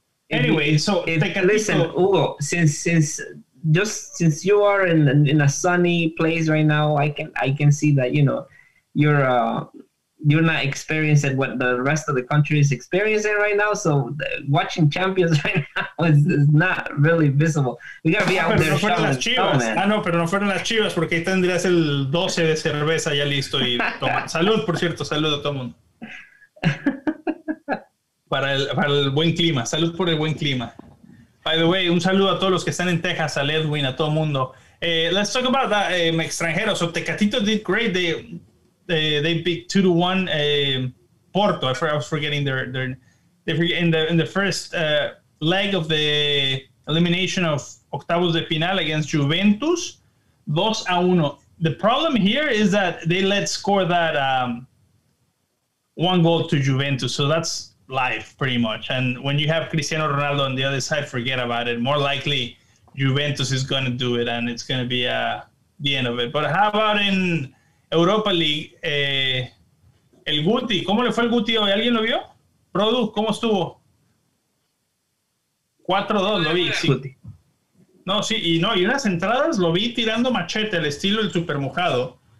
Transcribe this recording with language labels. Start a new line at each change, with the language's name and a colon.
English: Hugo, since you are in a sunny place right now, I can see that, you know, you're not experiencing what the rest of the country is experiencing right now. So watching Champions right now is not really visible. We gotta be out there.
Spanish: No, fueron las Chivas. Oh, no, pero no fueron las Chivas porque tendrías el 12 de cerveza ya listo y toma. Salud, por cierto, salud a todo mundo. Para el buen clima. Salud por el buen clima.
English: By the way,
Spanish: un saludo a todos los que están en Texas, a Edwin, a todo mundo.
English: Let's talk about that, extranjeros. So Tecatito did great. They beat 2-1 Porto. I was forgetting in the first leg of the elimination of
Spanish: octavos de final
English: against Juventus, 2-1. The problem here is that they let score that one goal to Juventus. So that's life, pretty much. And when you have Cristiano Ronaldo on the other side, forget about it. More likely, Juventus is going to do it, and it's going to be the end of it. But how about in Europa League?
Spanish: El Guti, ¿cómo le fue el Guti hoy? ¿Alguien lo vio? Produ, ¿cómo estuvo? 4-2, lo vi, sí. No, sí, y no, y unas entradas lo vi tirando machete al estilo del supermojado.